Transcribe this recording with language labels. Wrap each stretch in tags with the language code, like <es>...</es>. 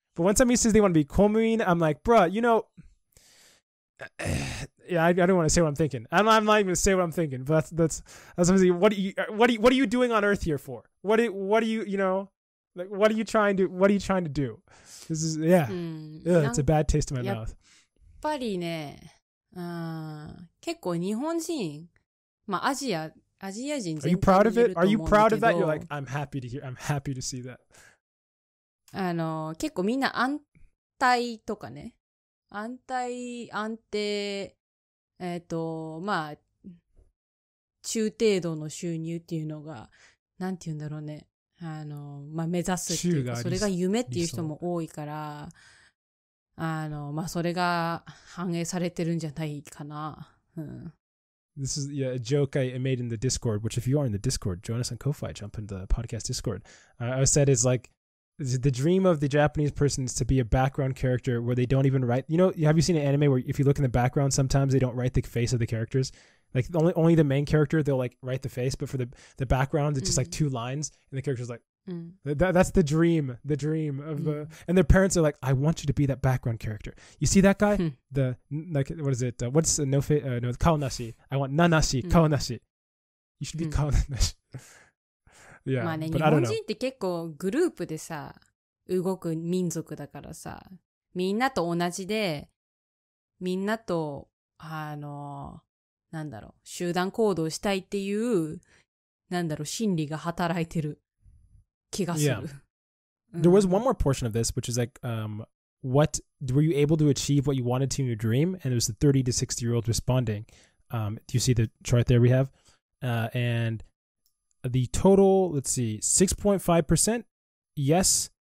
<en>But when somebody says they want to be Coleman, I'm like, bruh, you know, yeah, I don't want to say what I'm thinking. I'm not even going to say what I'm thinking. But that's what are you doing on Earth here for? What are you, you know? Like, what are you trying to do? This is, yeah. Ugh, it's a bad taste in my mouth.</en> <ja>やっぱりね、結構日本人、まあアジア人全体で、</ja> <en>Are you proud of it? Are you proud of that? You're like, I'm happy to hear. I'm happy to see that.</en> <ja>結構みんな安泰とかね。安泰、安定、まあ、中程度の収入っていうのが、なんて言うんだろうね。まあ、目指すっていうか、それが夢っていう人も多いから、まあ、それが反映されてるんじゃないかな。</ja> <en>This is, yeah, a joke I made in the Discord, which if you are in the Discord, join us on Ko-Fi, jump into the podcast Discord. I said it's like, the dream of the Japanese person is to be a background character where they don't even write, you know, have you seen an anime where if you look in the background, sometimes they don't write the face of the characters? Like, only the main character, they'll, like, write the face, but for the background, it's just, like, two lines, and the character's like, That's the dream. The dream of the and their parents are like, I want you to be that background character. You see that guy? The like, what is it? What's the no fit? No, Kawanashi. I want Nanashi. Kawanashi. You should be Kawanashi. Yeah,</en> <ja>まあね、</ja> <en>but</en> <ja>日本人って結構グループでさ動く民族だからさ、みんなと同じで、みんなとなんだろう、集団行動したいっていう、なんだろう、心理が働いてる気がする。</ja> <en>Yeah. There was one more portion of this, which is like, what were you able to achieve what you wanted to in your dream? And it was the 30 to 60 year old responding. Do you see the chart there we have? And the total, let's see, 6.5%, yes.</en>